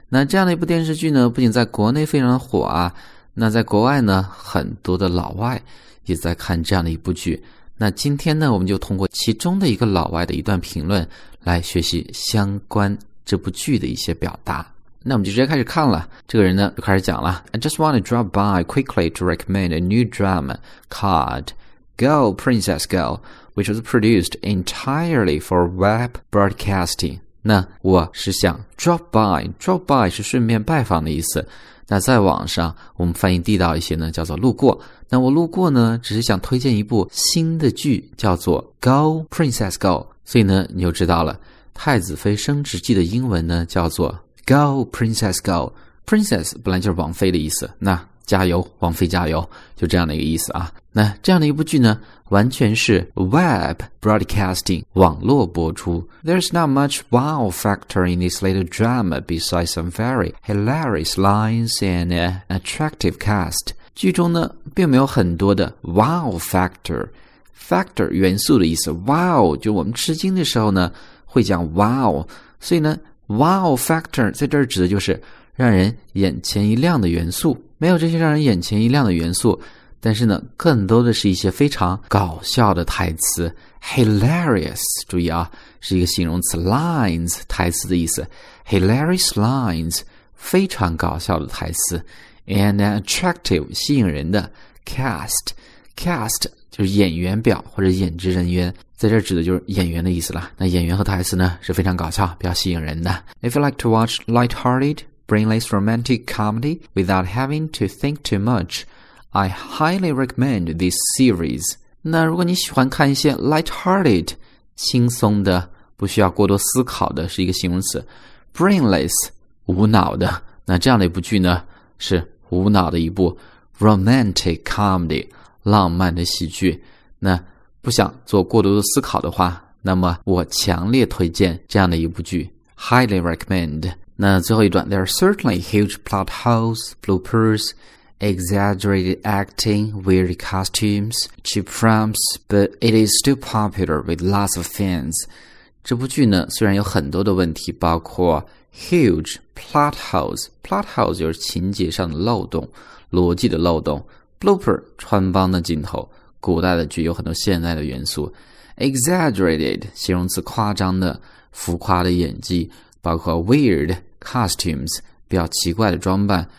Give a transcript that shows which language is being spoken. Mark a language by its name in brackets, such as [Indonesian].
[Chinese] 那这样的一部电视剧呢，不仅在国内非常火啊，那在国外呢，很多的老外也在看这样的一部剧。那今天呢，我们就通过其中的一个老外的一段评论，来学习相关这部剧的一些表达。那我们就直接开始看了，这个人呢，就开始讲了。 [English] I just want to drop by quickly to recommend a new drama called... Go, Princess Go, which was produced entirely for web broadcasting. [Chinese] 那我是想 [English] drop by [Chinese] 是顺便拜访的意思。那在网上我们翻译地道一些呢，叫做路过。那我路过呢，只是想推荐一部新的剧，叫做 Go, Princess Go. 所以呢，你就知道了，太子妃升职记的英文呢，叫做 Go, Princess Go. Princess 本来就是王妃的意思。那加油，王妃加油，就这样的一个意思啊。那这样的一部剧呢，完全是 [English] web broadcasting [Chinese] 网络播出。 [English] There's not much wow factor in this little drama besides some very hilarious lines and an attractive cast. [Chinese] 剧中呢，并没有很多的 [English] wow factor。 [Chinese] factor 元素的意思 ，wow 就我们吃惊的时候呢，会讲 wow。所以呢 ， [English] wow factor [Chinese] 在这儿指的就是让人眼前一亮的元素。没有这些让人眼前一亮的元素。但是呢，更多的是一些非常搞笑的台词 ，hilarious， 注意啊，是一个形容词 ，lines， 台词的意思 ， [English] hilarious lines， [Chinese] 非常搞笑的台词 ， [English] and an attractive， [Chinese] 吸引人的 ，cast 就是演员表或者演职人员，在这指的就是演员的意思了。那演员和台词呢，是非常搞笑，比较吸引人的。 [English] If you like to watch light-hearted, brainless romantic comedy without having to think too much. I highly recommend this series. [Chinese] 那如果你喜欢看一些 [English] light-hearted, [Chinese] 轻松的，不需要过多思考的，是一个形容词 , [English] brainless, [Chinese] 无脑的。那这样的一部剧呢，是无脑的一部 [English] romantic comedy, [Chinese] 浪漫的喜剧。那不想做过多的思考的话，那么我强烈推荐这样的一部剧 , [English] highly recommend. [Chinese] 那最后一段 [English] ,there are certainly huge plot holes, bloopers,exaggerated acting, weird costumes, cheap frames, but it is still popular with lots of fans. [Chinese] 这部剧呢，虽然有很多的问题，包括 [English] huge plot holes. [Chinese] Plot holes 就是情节上的漏洞，逻辑的漏洞。 Blooper 穿帮的镜头，古代的剧有很多现代的元素。 Exaggerated 形容词，夸张的、浮夸的演技，包括 [English] weird costumes [Chinese] 比较奇怪的装扮。